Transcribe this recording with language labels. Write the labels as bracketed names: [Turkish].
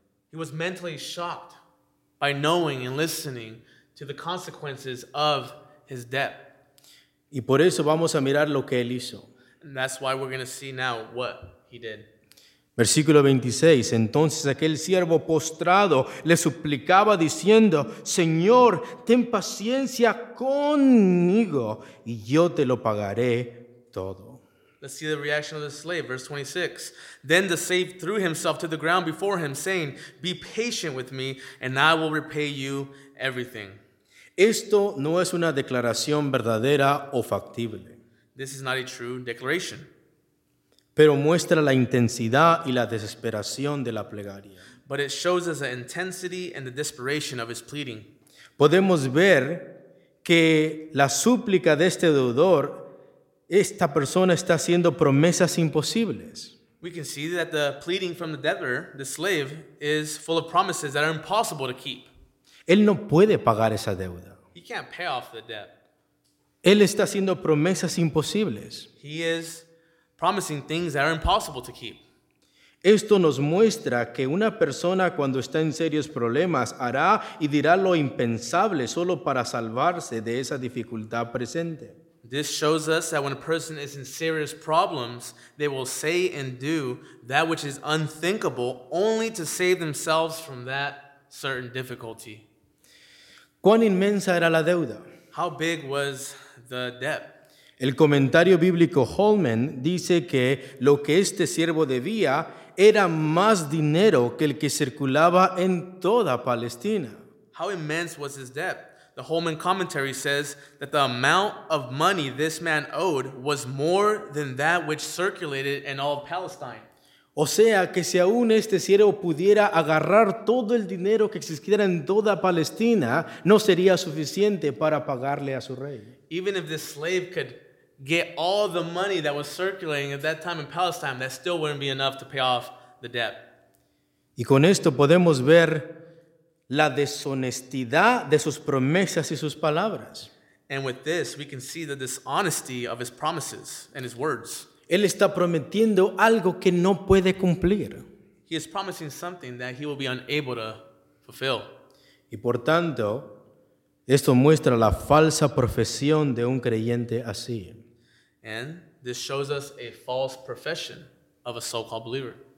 [English] He was mentally shocked by knowing and listening to the consequences of his debt. [Spanish] Y por eso vamos a mirar lo que él hizo. [English] And that's why we're going to see now what he did. [Spanish] Versículo 26. Entonces aquel siervo postrado le suplicaba diciendo, Señor, ten paciencia conmigo y yo te lo pagaré todo. [English] Let's see the reaction of the slave. Verse 26. Then the slave threw himself to the ground before him, saying, be patient with me and I will repay you everything. [Spanish] Esto no es una declaración verdadera o factible. [English] This is not a true declaration. [Spanish] Pero muestra la intensidad y la desesperación de la plegaria. [English] But it shows us the intensity and the desperation of his pleading. [Spanish] Podemos ver que la súplica de este deudor, esta persona está haciendo promesas imposibles. [English] We can see that the pleading from the debtor, the slave, is full of promises that are impossible to keep. [Spanish] Él no puede pagar esa deuda. [English] He can't pay off the debt. [Spanish] Él está haciendo promesas imposibles. [English] He is promising things that are impossible to keep. [Spanish] Esto nos muestra que una persona cuando está en serios problemas hará y dirá lo impensable solo para salvarse de esa dificultad presente. [English] This shows us that when a person is in serious problems, they will say and do that which is unthinkable only to save themselves from that certain difficulty. [Spanish] ¿Cuán inmensa era la deuda? [English] How big was the debt? [Spanish] El comentario bíblico Holman dice que lo que este siervo debía era más dinero que el que circulaba en toda Palestina. [English] How immense was his debt? The Holman commentary says that the amount of money this man owed was more than that which circulated in all of Palestine. [Spanish] O sea, que si aún este siervo pudiera agarrar todo el dinero que existiera en toda Palestina, no sería suficiente para pagarle a su rey. [English] Even if this slave could get all the money that was circulating at that time in Palestine, that still wouldn't be enough to pay off the debt. [Spanish] Y con esto podemos ver la deshonestidad de sus promesas y sus palabras. [English] And with this, we can see the dishonesty of his promises and his words. [Spanish] Él está prometiendo algo que no puede cumplir. [English] He is promising something that he will be unable to fulfill. [Spanish] Y por tanto, esto muestra la falsa profesión de un creyente así. [English] And this shows us a false profession of a so-called believer.